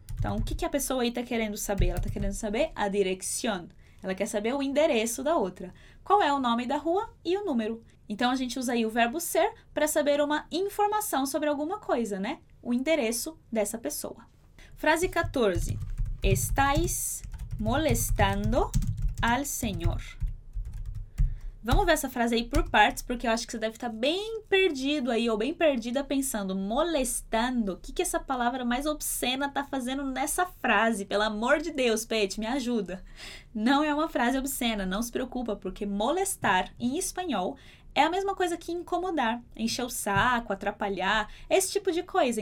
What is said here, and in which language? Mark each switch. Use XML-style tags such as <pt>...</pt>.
<pt>Então, o que a pessoa aí está querendo saber? Ela está querendo saber a direção. Ela quer saber o endereço da outra. Qual é o nome da rua e o número? Então, a gente usa aí o verbo ser para saber uma informação sobre alguma coisa, né? O endereço dessa pessoa. Frase 14.</pt> <es>Estáis molestando al senhor.</es> <pt>Vamos ver essa frase aí por partes, porque eu acho que você deve estar bem perdido aí, ou bem perdida, pensando, molestando, o que, que essa palavra mais obscena está fazendo nessa frase? Pelo amor de Deus, Pet, me ajuda. Não é uma frase obscena, não se preocupa, porque molestar, em espanhol, é a mesma coisa que incomodar, encher o saco, atrapalhar, esse tipo de coisa.</pt>